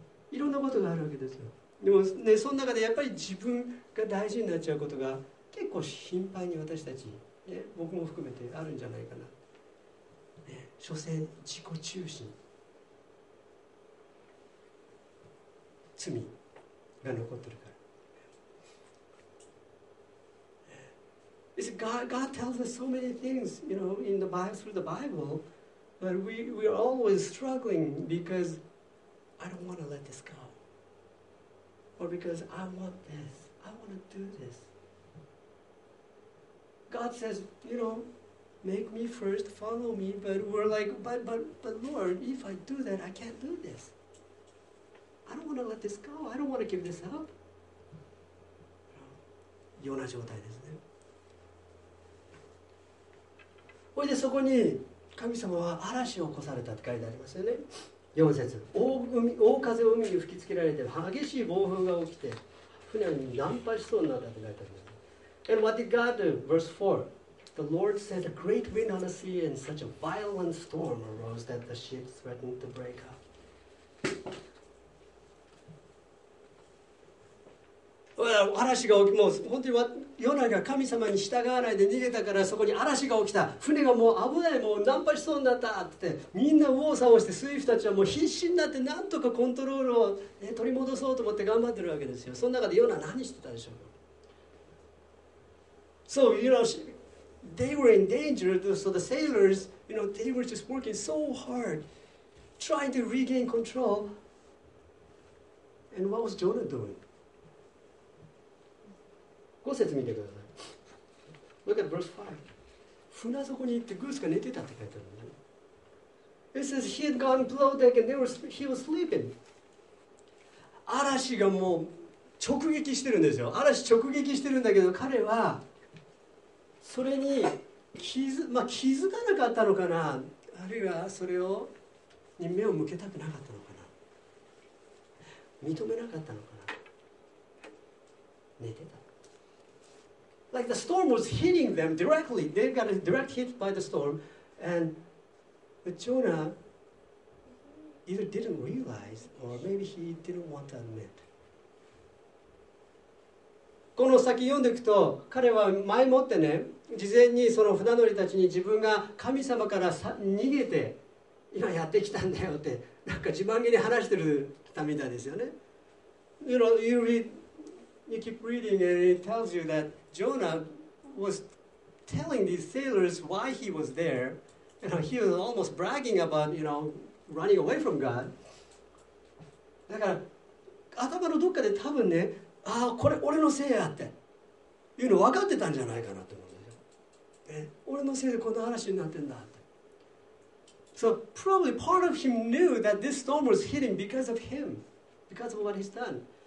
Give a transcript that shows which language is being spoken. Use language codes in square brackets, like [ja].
[ja] いろんなことがあるわけですよ。でもね、その中でやっぱり自分が大事になっちゃうことが結構頻繁に私たち、ね、僕も含めてあるんじゃないかな、ね、所詮自己中心、罪が残ってるから、 [en] It's God tells us so many things, you know, in the Bible, through the Bible, but we are always struggling because I don't want to let this go. Or because I want this. I want to do this. God says, you know, make me first, follow me, but we're like, but Lord, if I do that, I can't do this. I don't want to let this go. I don't want to give this up. [ja] ような状態ですね。おいでそこに神様は嵐を起こされたって書いてありますよね。4節、 大風を海に吹きつけられて激しい暴風が起きて船に難破しそうになったって書いてあります。 [en] And what did God do? Verse 4. The Lord sent a great wind on the sea and such a violent storm arose that the ship threatened to break up. [ja] わ、嵐が起き、もう本当にヨナが神様に従わないで逃げたからそこに嵐が起きた、船がもう危ない、もう難破しそうになったってみんな右往左往して、スイフたちはもう必死になってなんとかコントロールを、ね、取り戻そうと思って頑張ってるわけですよ。その中でヨナ何してたでしょう。 [en] So, you know, they were in danger, so the sailors, you know, they were just working so hard trying to regain control. And what was Jonah doing? [ja] 5節見てください。 [en] Look at verse 5. [ja] 船底に行ってグースが寝てたって書いてあるんだね。 [en] It says he had gone below deck and he was sleeping. [ja] 嵐がもう直撃してるんですよ。嵐直撃してるんだけど彼はそれに気づかなかったのかな、あるいはそれをに目を向けたくなかったのかな、認めなかったのかな、寝てた。 [en] Like the storm was hitting them directly. They got a direct hit by the storm. And but Jonah either didn't realize or maybe he didn't want to admit. [ja] この先読んでいくと、彼は前もってね、事前にその船乗りたちに自分が神様から逃げて今やってきたんだよってなんか自慢げに話してるたみたいですよね。 [en] You know, you read, you keep reading and it tells you thatJonah was telling these sailors why he was there. You know, he was almost bragging about, you know, running away from God. [ja] だから頭のどっかで多分ね、ああこれ俺のせいやっていうの分かってたんじゃないかなと思うんですよ。俺のせいでこの嵐になってんだって。 [en] So probably part of him knew that this storm was hitting because of him, because of what he's done.